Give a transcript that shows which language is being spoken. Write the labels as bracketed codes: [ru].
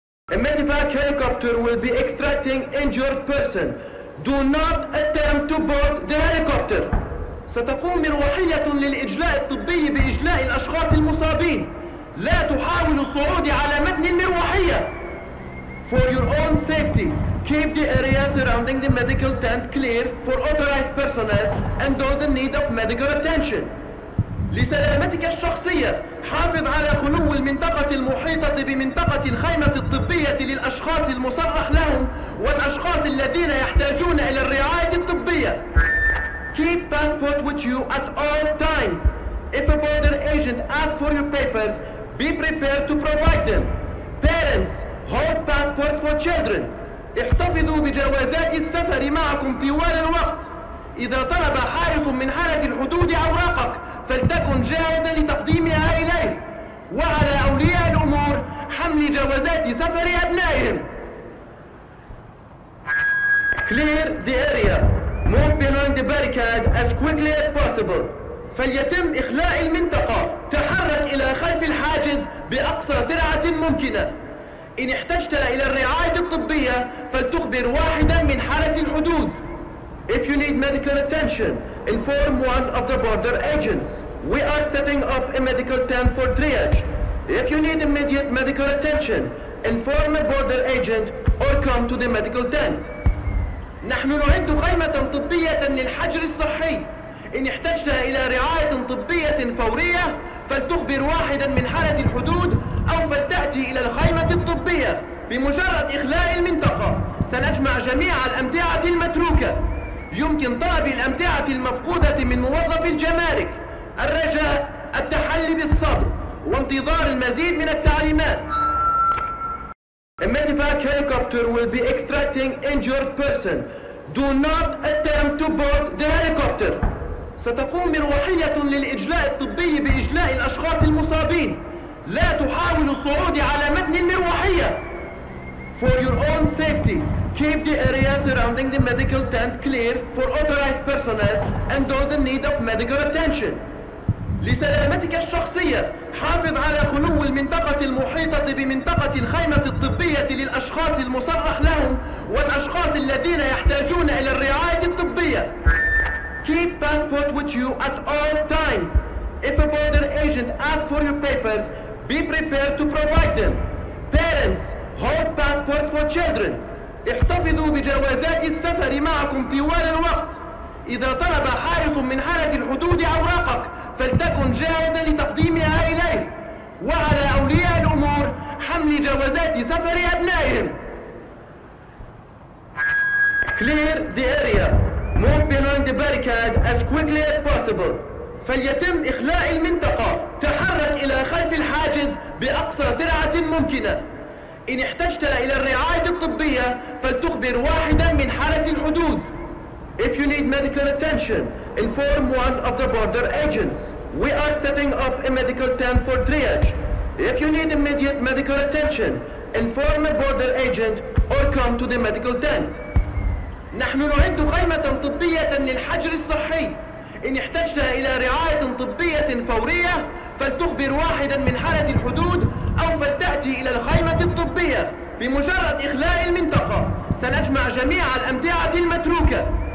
[en] A medevac helicopter will be extracting injured person. Do not attempt to board the helicopter. [ar] ستقوم مروحية للإجلاء الطبي بإجلاء الأشخاص المصابين. لا تحاول الصعود على متن المروحية. [en] For your own safety, keep the area surrounding the medical tent clear for authorized personnel and those in need of medical attention. [ar] لسلامتك الشخصية، حافظ على خلو المنطقة المحيطة بمنطقة الخيمة الطبية للأشخاص المصرح لهم والأشخاص الذين يحتاجون إلى الرعاية الطبية. [en] Keep passport with you at all times. If a border agent asks for your papers, be prepared to provide them. Parents, hold passport for children. [ar] احتفظوا بجوازات السفر معكم طوال الوقت. إذا طلب حارس من حرس الحدود أوراقك فلتكن جاهزا لتقديمها إليه. وعلى أولياء الأمور حمل جوازات سفر أبنائهم. [en] Clear the area. Move behind the barricade as quickly as possible. [ar] فليتم إخلاء المنطقة. تحرك إلى خلف الحاجز بأقصى سرعة ممكنة. إن احتجت إلى الرعاية الطبية فلتخبر واحدا من حرس الحدود. [en] If you need medical attention, inform one of the border agents. We are setting up a medical tent for triage. If you need immediate medical attention, inform a border agent or come to the medical tent. [ar] نحن نعد خيمة طبية للحجر الصحي. إن احتجت إلى رعاية طبية فورية فلتخبر واحدا من حرس الحدود أو فلتأتي إلى الخيمة الطبية. بمجرد إخلاء المنطقة سنجمع جميع الأمتعة المتروكة. يمكن طلب الأمتعة المفقودة من موظف الجمارك. الرجاء التحلي بالصبر وانتظار المزيد من التعليمات. [en] Medevac helicopter will be extracting injured person. Do not attempt to board the helicopter. [ar] ستقوم مروحية للإجلاء الطبي بإجلاء الأشخاص المصابين. لا تحاول الصعود على متن المروحية. [en] For your own safety, keep the area surrounding the medical tent clear for authorized personnel and those in need of medical attention. [ar] لسلامتك الشخصية، حافظ على خلو المنطقة المحيطة بمنطقة الخيمة الطبية للأشخاص المصرح لهم والأشخاص الذين يحتاجون إلى الرعاية الطبية. [en] Keep passport with you at all times. If a border agent asks for your papers, be prepared to provide them. Parents, hold passport for children. [ar] احتفظوا بجوازات السفر معكم طوال الوقت. إذا طلب حارس من حرس الحدود أوراقك، فلتكن جاهزا لتقديمها إليه. وعلى أولياء الأمور حمل جوازات سفر أبنائهم. [en] Clear the area. Move behind the barricade as quickly as possible. [ar] فليتم إخلاء المنطقة. تحرك إلى خلف الحاجز بأقصى سرعة ممكنة. إن احتجت إلى الرعاية الطبية فلتخبر واحدا من حرس الحدود. [en] If you need medical attention, inform one of the border agents. We are setting up a medical tent for triage. If you need immediate medical attention, inform a border agent or come to the medical tent. [ar] نحن نعد خيمة طبية للحجر الصحي. إن احتجت إلى رعاية طبية فورية فلتخبر واحدا من حرس الحدود أو فلتأتي إلى الخيمة الطبية. بمجرد إخلاء المنطقة سنجمع جميع الأمتعة المتروكة.